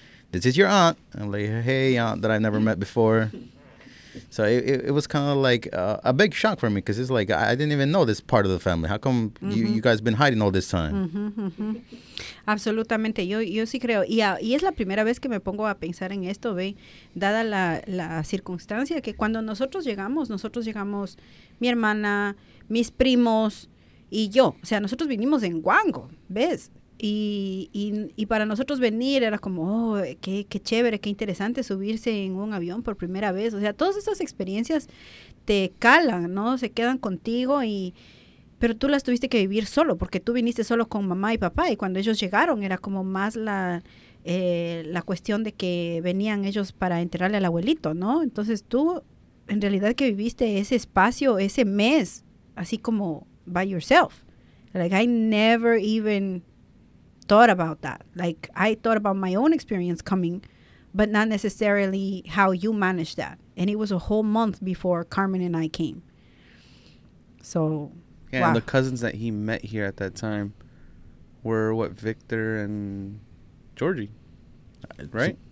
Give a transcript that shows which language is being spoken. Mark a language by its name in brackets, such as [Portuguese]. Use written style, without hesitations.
[English] This is your aunt. I'm like, hey, aunt that I've never met before. So it was kind of like a big shock for me because it's like I didn't even know this part of the family. How come you guys been hiding all this time? [Spanish] Mm-hmm. Absolutamente. Yo sí creo. Y es la primera vez que me pongo a pensar en esto, ¿ve? Dada la circunstancia que cuando nosotros llegamos mi hermana, mis primos y yo. O sea, nosotros vinimos en guango, ¿ves? Y para nosotros venir era como, oh, qué chévere, qué interesante subirse en un avión por primera vez. O sea, todas esas experiencias te calan, ¿no? Se quedan contigo pero tú las tuviste que vivir solo, porque tú viniste solo con mamá y papá. Y cuando ellos llegaron era como más la cuestión de que venían ellos para enterrarle al abuelito, ¿no? Entonces tú, en realidad, que viviste ese espacio, ese mes, así como [English] by yourself. Like, I never even... thought about that. Like, I thought about my own experience coming, but not necessarily how you managed that. And it was a whole month before Carmen and I came. So, yeah, wow. And the cousins that he met here at that time were what, Victor and Georgie, right?